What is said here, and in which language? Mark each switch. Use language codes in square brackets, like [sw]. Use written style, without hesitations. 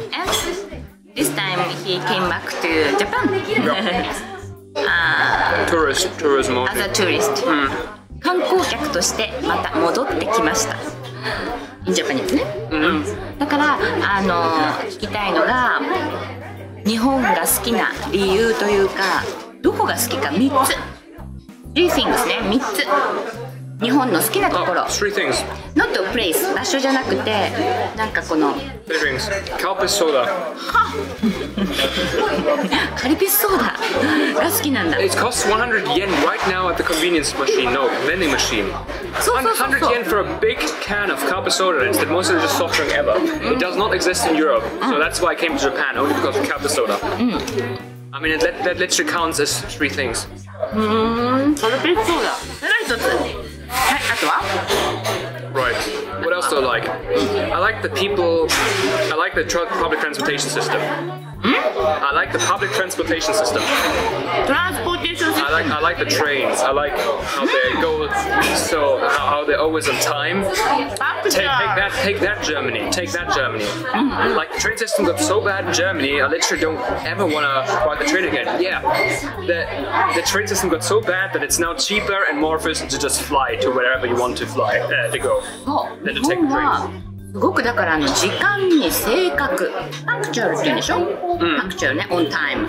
[en] And this time he came back to Japan. Yeah. Tourism as a tourist、 mm. [ja] 観光客としてまた戻ってきましたインジャパニーズね、 mm-hmm. だから聞きたいのが日本が好きな理由というかどこが好きか3つ [en] 3 things [ja] ね3つ日本の好きなところ、 [en] oh, 3 things not a place [ja] 場所じゃなくてなんかこの [en] 3 things カルピスソーダ [ja] カルピスソーダが好きなんだ [en] It costs 100 yen right now at the convenience machine No, vending machine [ja] そうそうそうそう [en] 100 yen for a big can of カルピスソーダ It's the most delicious soft drink ever It does not exist in Europe So that's why I came to Japan Only because of カルピスソーダ I mean, that literally counts as 3 things [ja] カルピスソーダそれは1つはい、あとは? [en] Right. What else do I like? I like the people... I like the public transportation system. Hmm? I like the public transportation system. Transportation system? I like the trains. I like how they go... So, how they're always on time. Take that, Germany. Mm-hmm. Like, the train systems are so bad in Germany, I literally don't ever want to ride the train again. Yeah. The train system got so bad that it's now cheaper and more efficient to just fly to wherever you want to fly, to go. Oh, then to take the train. [ja] すごくだから時間に正確。パンクチュアルって言うんでしょ、 mm. パンクチュアルね、オンタイム。